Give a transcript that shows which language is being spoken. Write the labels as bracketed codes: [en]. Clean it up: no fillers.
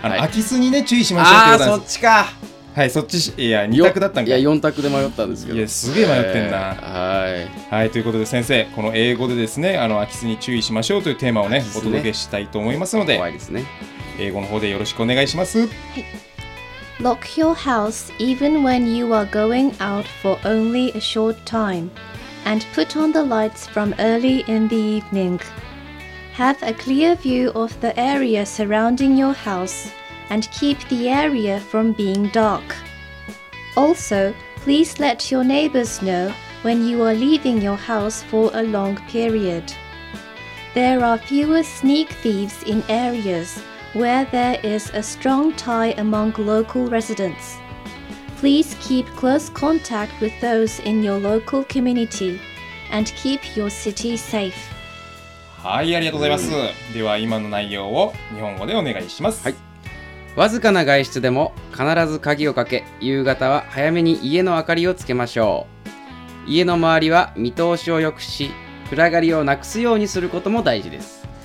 [ja] の、はい、空き巣にね、注意しましょうってことなんです。あ、そっちか。はい、そっち、いや、2択だったんか。いや、4択で迷ったんですけど。いや、すげえ迷ってんな。はい。はい、ということで先生、この英語でですね、あの、空き巣に注意しましょうというテーマをね、お届けしたいと思いますので。怖いですね。英語の方でよろしくお願いします。はい。 [en] Lock your house even when you are going out for only a short time, and put on the lights from early in the evening. Have a clear view of the area surrounding your house. And keep the area from being dark. Also, please let your neighbors know when you are leaving your house for a long period. There are fewer sneak thieves in areas where there is a strong tie among local residents. Please keep close contact with those in your local community and keep your city safe. [ja] はい、ありがとうございます。では今の内容を日本語でお願いします。はい。わずかな外出でも必ず鍵をかけ、夕方は早めに家の明かりをつけましょう。家の周りは見通しを良くし、暗がりをなくすようにすることも大事です。